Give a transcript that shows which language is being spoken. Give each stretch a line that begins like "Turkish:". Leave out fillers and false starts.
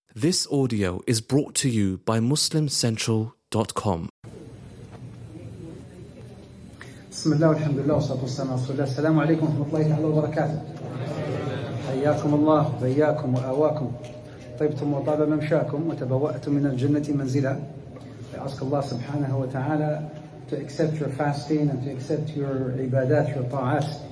English: This audio is brought to you by MuslimCentral.com.
Arabic: بسم الله والحمد لله والصلاة والسلام على رسول الله. السلام عليكم ورحمة الله تعالى وبركاته. حياكم الله وحياكم وآواكم. طيبتم وطاب ممشاكم وتبوأتم من الجنة منزلا.
English: I ask Allah subhanahu wa ta'ala to accept your fasting and to accept your ibadat, your ta'at.